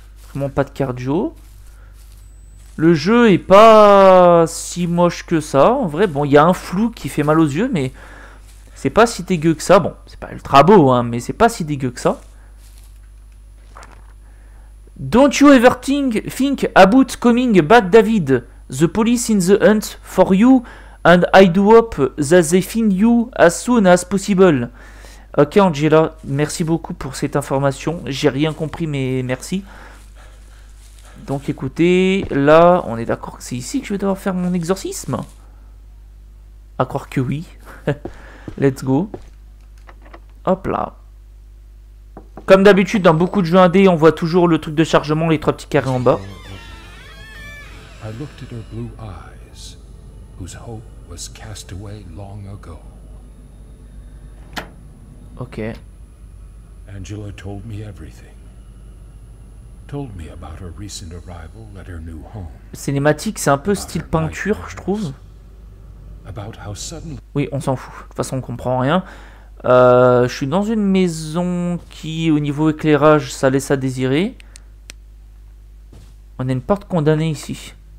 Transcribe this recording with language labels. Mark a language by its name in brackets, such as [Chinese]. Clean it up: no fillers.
[French] Vraiment pas de cardio. Le jeu est pas si moche que ça. En vrai, bon, il y a un flou qui fait mal aux yeux, mais c'est pas si dégueu que ça. Bon, c'est pas ultra beau, hein, mais c'est pas si dégueu que ça. [English] Don't you ever think about coming back, David? The police in the hunt for you, and I do hope that they find you as soon as possible. [French] Ok, Angela, merci beaucoup pour cette information. J'ai rien compris, mais merci. Donc écoutez, là, on est d'accord que c'est ici que je vais devoir faire mon exorcisme? À croire que oui. [English] Let's go. [French] Hop là. Comme d'habitude, dans beaucoup de jeux indés, on voit toujours le truc de chargement, les trois petits carrés en bas. [English] I looked at her blue eyes, whose hope was cast away long ago. Ok. Angela told me everything. Told me about her recent arrival at her new home. [French] Cinématique, c'est un peu style peinture, je trouve. [English] About how suddenly... [French] Oui, on s'en fout. De toute façon, on comprend rien. Je suis dans une maison qui, au niveau éclairage, ça laisse à désirer. On a une porte condamnée ici.